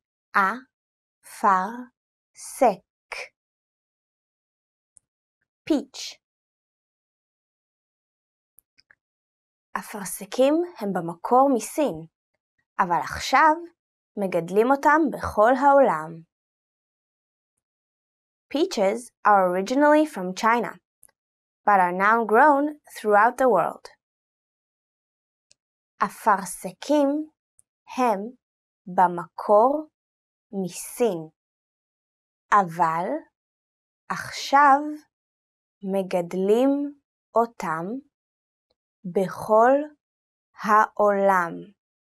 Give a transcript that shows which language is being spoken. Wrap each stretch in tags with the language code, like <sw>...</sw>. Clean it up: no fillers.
<he>אפרסק.</he> <en>Peach.</en> <he>אפרסקים הם במקור מסין, אבל עכשיו מגדלים אותם בכל העולם.</he> <en>Peaches are originally from China, but are now grown throughout the world.</en> <he>אפרסקים הם במקור מסין, אבל עכשיו מגדלים אותם בכל העולם.</he>